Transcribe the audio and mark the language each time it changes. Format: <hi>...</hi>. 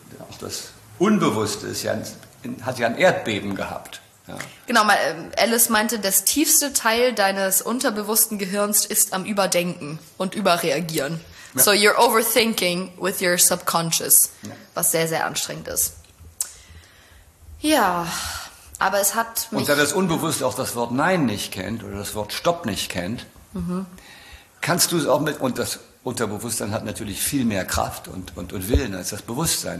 <de>Auch das Unbewusste ist ja, hat ja ein Erdbeben gehabt. Ja. Genau, Alice meinte, das tiefste Teil deines unterbewussten Gehirns ist am Überdenken und Überreagieren. Ja.</de> <en>So you're overthinking with your subconscious, ja.</en> <de>Was sehr, sehr anstrengend ist. Ja, aber es hat mich... Und da das Unbewusste auch das Wort Nein nicht kennt oder das Wort Stopp nicht kennt, kannst du es auch mit... Und das Unterbewusstsein hat natürlich viel mehr Kraft und Willen als das Bewusstsein.</de>